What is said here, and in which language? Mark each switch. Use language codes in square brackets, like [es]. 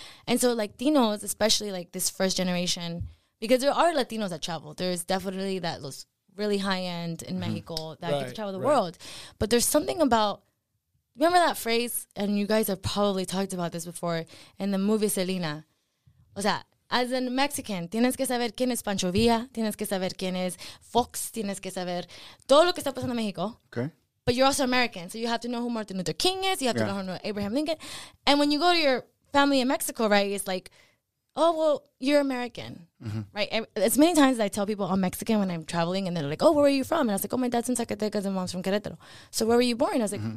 [en] And so, like, Latinos, especially, like, this first generation, because there are Latinos that travel. There's definitely that really high-end in, mm-hmm, Mexico that, right, get to travel the, right, world. But there's something about, remember that phrase, and you guys have probably talked about this before, in the movie Selena. What's that? As a Mexican, [es] tienes que saber quién es Pancho Villa, tienes que saber quién es Fox, tienes que saber todo lo que está pasando en México. [en] Okay. But you're also American, so you have to know who Martin Luther King is, you have, yeah, to know who Abraham Lincoln. And when you go to your family in Mexico, right, it's like, oh, well, you're American, mm-hmm. right? As many times as I tell people I'm Mexican when I'm traveling, and they're like, oh, where are you from? And I was like, oh, my dad's in Zacatecas and mom's from Querétaro. So where were you born? I was like, mm-hmm.